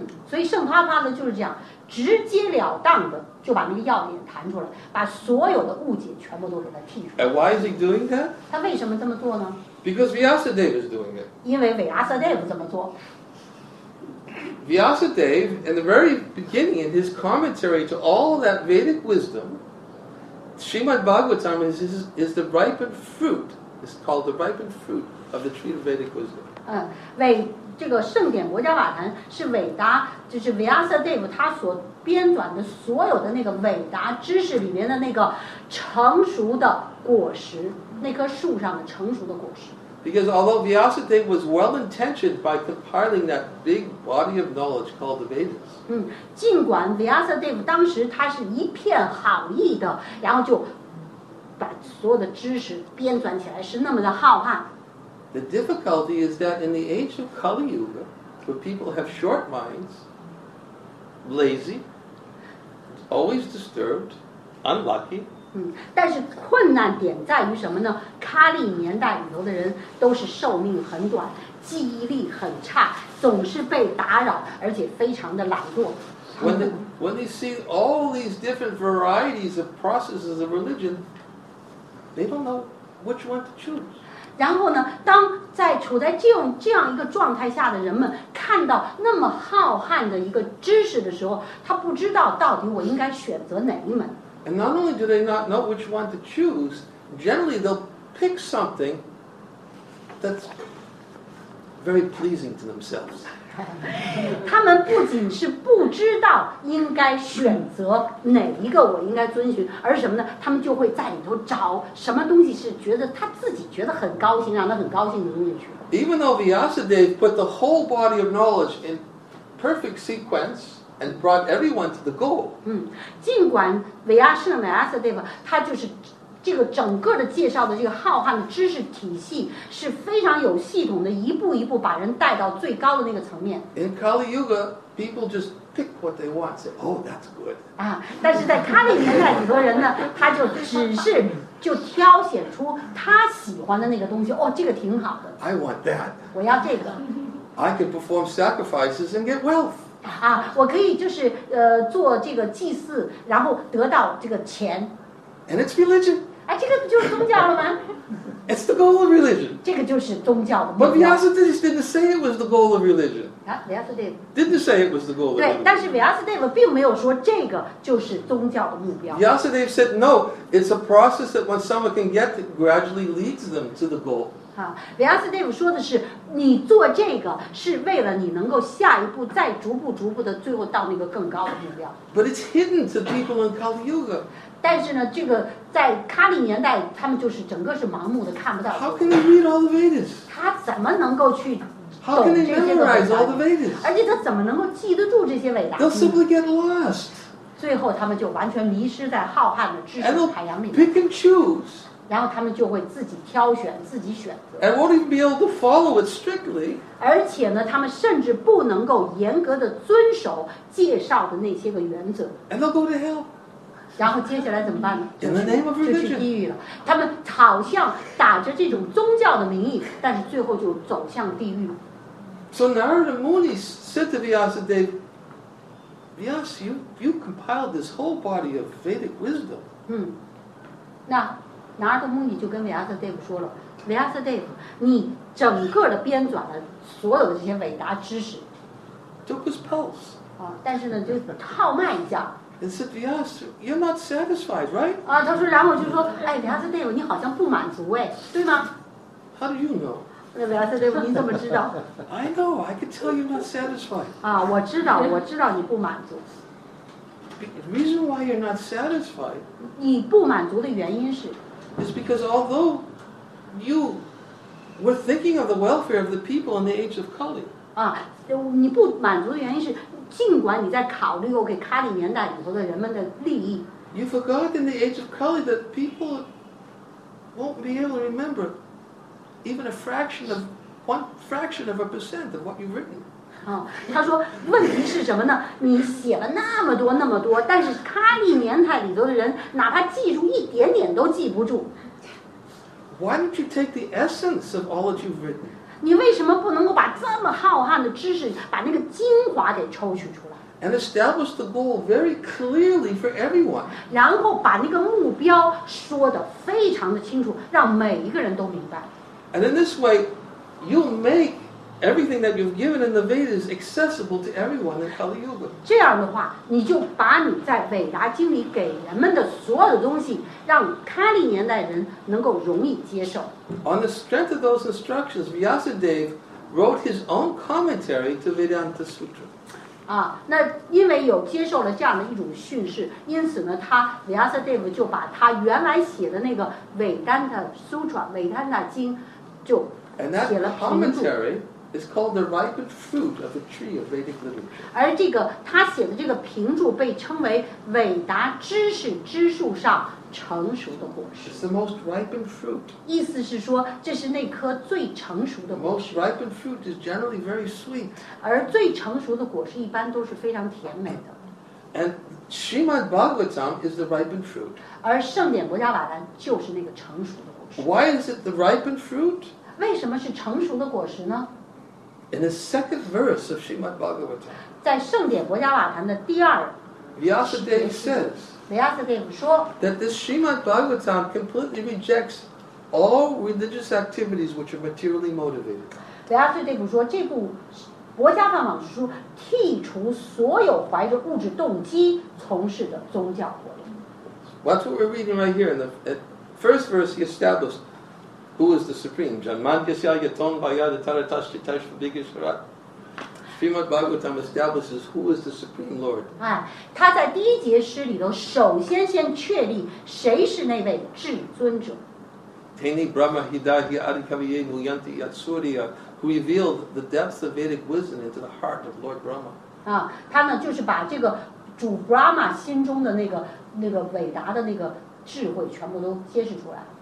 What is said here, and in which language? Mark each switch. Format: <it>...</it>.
<zh>所以圣帕帕呢就是这样，直截了当的就把那个要点谈出来，把所有的误解全部都给他剔除。</zh> <en>And why is he doing that?</en> <zh>他为什么这么做呢？</zh> <en>Because Vyasadeva is doing it.</en> <zh>因为韦阿瑟德夫这么做。</zh> <en>Vyasadeva, in the very beginning, in his commentary to all that Vedic wisdom. Srimad Bhagavatam is the ripened fruit. It's called the ripened fruit of the tree of Vedic wisdom.</en> <zh>这个圣典国家瓦坛是伟达，就是 Vyasadeva 他所编纂的所有的那个伟达知识里面的那个成熟的果实，那棵树上的成熟的果实。</zh> <en>Because although Vyasadeva was well intentioned by compiling that big body of knowledge called the Vedas,</en> <zh>尽管 Vyasadeva 当时他是一片好意的，然后就把所有的知识编纂起来，是那么的浩瀚。</zh> <en>The difficulty is that in the age of Kali Yuga, where people have short minds, lazy, always disturbed, unlucky.</en> <zh>但是困难点在于什么呢？卡利年代里头的人都是寿命很短，记忆力很差，总是被打扰，而且非常的懒惰。</zh> <en>When they see all these different varieties of processes of religion, they don't know which one to choose.</en> <zh>然后呢，当在处在这样一个状态下的人们看到那么浩瀚的一个知识的时候，他不知道到底我应该选择哪一门。</zh> <en>And not only do they not know which one to choose, generally they'll pick something that's very pleasing to themselves.</en> <zh>他们不仅是不知道应该选择哪一个我应该遵循，而什么呢？他们就会在里头找什么东西是觉得他自己觉得很高兴，让他很高兴的东西去。</zh> <en>Even though Vyasadeva put the whole body of knowledge in perfect sequence. And brought everyone to the goal.</en> <zh>尽管维亚圣维亚瑟德夫，他就是这个整个的介绍的这个浩瀚的知识体系是非常有系统的，一步一步把人带到最高的那个层面。</zh> <en>In Kali Yuga, people just pick what they want. Say, "Oh, that's good."</en> <zh>但是在卡利年代，很多人呢，他就只是就挑选出他喜欢的那个东西。哦，这个挺好的。</zh> <en>I want that.</en> <zh>我要这个。</zh> <en>I can perform sacrifices and get wealth.</en> <zh>啊，我可以就是做这个祭祀，然后得到这个钱。</zh> <en>And it's religion.</en> <zh>啊，这个不就是宗教了吗？</zh> <en>It's the goal of religion.</en> <zh>这个就是宗教的目的。</zh> <en>But Vyasadeva didn't say it was the goal of religion.</en> <zh>啊 ，Vyasadeva</zh> <en>didn't say it was the goal of religion.</en> <zh>对，但是 Vyasadeva 并没有说这个就是宗教的目标。</zh> <en>Vyasadeva said no. It's a process that when someone can get to, gradually leads them to the goal.</en> <zh>啊 ，Vyasadeva 说的是，你做这个是为了你能够下一步再逐步逐步的最后到那个更高的目标。</zh> <en>But it's hidden to people in Kali Yuga.</en> <zh>但是呢，这个在卡利年代，他们就是整个是盲目的，看不到。</zh> <en>How can he read all the Vedas?</en> <zh>他怎么能够去懂这些伟大？</zh> <en>How can he memorize all the Vedas?</en> <zh>而且他怎么能够记得住这些伟大？</zh> <en>They'll simply get lost.</en> <zh>最后他们就完全迷失在浩瀚的知识的海洋里。</zh> <en>Pick and choose.</en> <zh>然后他们就会自己挑选，自己选择。</zh> <en>And won't even be able to follow it strictly.</en> <zh>而且呢，他们甚至不能够严格的遵守介绍的那些个原则。</zh> <en>And they'll go to hell.</en> <zh>然后接下来怎么办呢？</zh> <en>In the name of religion.</en> <zh>就去地狱了。他们好像打着这种宗教的名义，但是最后就走向地狱。</zh> <en>So Narada Muni said to Vyasadeva, "Vyas, you compiled this whole body of Vedic wisdom."</en> <zh>那Narada Muni 就跟 Vyasadeva 说了 ，Vyasadeva, 你整个的编纂了所有的这些伟达知识。</zh> <en>Took his pulse.</en> <zh>但是呢，就号脉一下。</zh> <en>And said, "Vyas, you're not satisfied, right?"</en> <zh>啊，他说，然后就说，哎 ，Vyasadeva, 你好像不满足，哎，对吗</zh> <en>？How do you know?</en> <zh>Vyasadeva, 你怎么知道</zh> <en>？I know. I can tell you're not satisfied.</en> <zh>啊，我知道，我知道你不满足。</zh> <en>The reason why you're not satisfied.</en> <zh>你不满足的原因是</zh> <en>？Is because although you were thinking of the welfare of the people in the age of Kali.</en> <zh>啊，你不满足的原因是。尽管你在考虑给卡里年代以后的人们的利益</zh> <en>，You forgot in the age of Kali that people won't be able to remember even a fraction of one fraction of a percent of what you've written.</en> <zh>他说问题是什么呢？你写了那么多那么多，但是卡里年代里头的人哪怕记住一点点都记不住。</zh> <en>Why don't you take the essence of all that you've written?</en> <zh>你为什么不能够把这么浩瀚的知识，把那个精华给抽取出来</zh> <en>？And establish the goal very clearly for everyone.</en> <zh>然后把那个目标说得非常的清楚，让每一个人都明白。</zh> <en>And in this way, you make everything that you've given in the Vedas accessible to everyone in Kali Yuga.</en> <zh>这样的话，你就把你在伟达经里给人们的所有的东西，让卡利年代人能够容易接受。</zh> <en>On the strength of those instructions, Vyasadeva wrote his own commentary to Vedanta Sutra.</en> <zh>啊，那因为有接受了这样的一种训示，因此呢，他 Vyasadeva 就把他原来写的那个伟丹的 Sutra 伟丹的经就写了评注。</zh> <en>It's called the ripened fruit of the tree of Vedic literature.</en> <zh>而这个他写的这个评注被称为伟达知识之树上。成熟的果实。</zh> <en>It's the most ripened fruit.</en> <zh>意思是说，这是那颗最成熟的果实。</zh> <en>Most ripened fruit is generally very sweet.</en> <zh>而最成熟的果实一般都是非常甜美的。</zh> <en>And Srimad Bhagavatam is the ripened fruit.</en> <zh>而圣典博迦瓦兰就是那个成熟的果实。</zh> <en>Why is it the ripened fruit?</en> <zh>为什么是成熟的果实呢</zh> <en>？In the second verse of Srimad Bhagavatam.</en> <zh>在圣典博迦瓦兰的第二。</zh> <en>Vyasadeva says.</en> <zh>Vyasadeva 说</zh> <en>that this Srimad Bhagavatam completely rejects all religious activities which are materially motivated.</en> <zh>Vyasadeva 说这部《博迦梵网》书剔除所有怀着物质动机从事的宗教活动。</zh> <en>That's what we're reading right here in the first verse. He established who is the supreme.</en> <sa>Janmanjasya yaton bhayada taratashti tashvigisharat.</sa> <en>Srimad Bhagavatam establishes who is the supreme lord.</en> <zh>他在第一节诗里头首先先确立谁是那位至尊者。</zh> <sa>Teni Brahma Hidahi Adikaviye Muyanti Yatsurya,</sa> <en>who revealed the depths of Vedic wisdom into the heart of Lord Brahma.</en> <zh>他呢就是把这个主 Brahma 心中的那个伟达的那个智慧全部都揭示出来。</zh>